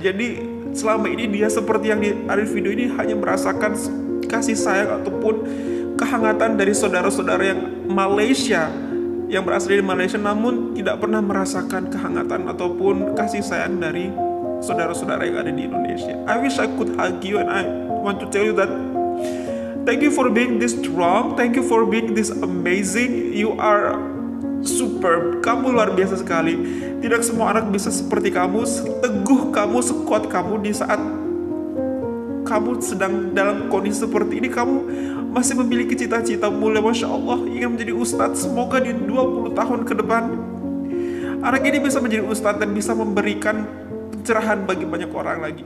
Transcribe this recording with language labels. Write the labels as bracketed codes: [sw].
[id] Jadi selama ini dia seperti yang ada di video ini hanya merasakan kasih sayang ataupun kehangatan dari saudara-saudara yang Malaysia, yang berasal dari Malaysia, namun tidak pernah merasakan kehangatan ataupun kasih sayang dari saudara-saudara yang ada di Indonesia. [en] I wish I could hug you, and I want to tell you that thank you for being this strong, thank you for being this amazing, you are superb, [id] kamu luar biasa sekali. Tidak semua anak bisa seperti kamu, seteguh kamu, sekuat kamu di saat kamu sedang dalam kondisi seperti ini. Kamu masih memiliki cita-cita mulia, Masya Allah, ingin menjadi ustadz. Semoga di 20 tahun ke depan anak ini bisa menjadi ustadz dan bisa memberikan pencerahan bagi banyak orang lagi.